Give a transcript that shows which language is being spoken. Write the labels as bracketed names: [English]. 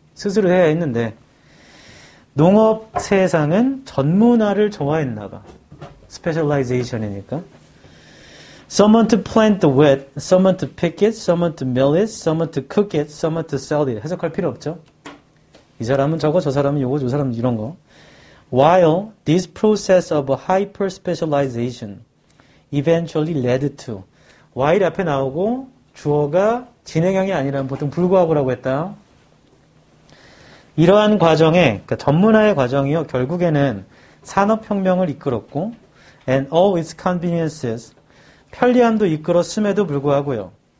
[Korean] 스스로 해야 했는데 농업 세상은 전문화를 좋아했나 봐. [English] Specialization이니까. Someone to plant the wheat, someone to pick it, someone to mill it, someone to cook it, someone to sell it. [Korean] 해석할 필요 없죠. 이 사람은 저거, 저 사람은 요거, 저 사람은 이런 거. [English] While this process of hyper-specialization eventually led to. [Korean] While 앞에 나오고 주어가 진행형이 아니라면 보통 불구하고라고 했다. 이러한 과정에, 그러니까 전문화의 과정이요. 결국에는 산업혁명을 이끌었고 [English] and all its conveniences, [Korean] 편리함도 이끌었음에도 불구하고요.